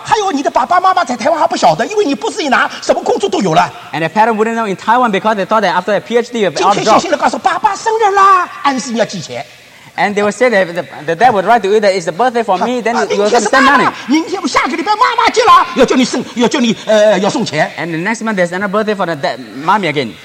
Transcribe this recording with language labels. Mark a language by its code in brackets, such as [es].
[zh] 还有你的爸爸妈妈在台湾还不晓得，因为你博士一拿，什么工作都有了。 [en] And the parent wouldn't know in Taiwan because they thought that after a PhD, you have all the jobs. [zh] 今天细心的告诉爸爸生日啦，暗示你要寄钱。 [en] And they would say that the dad would write to you that it's the birthday for me. Then you will send money. [zh] 明天不下个礼拜妈妈节了，要叫你送，要叫你要送钱。 [en] And the next month there's another birthday for the dad, mommy again.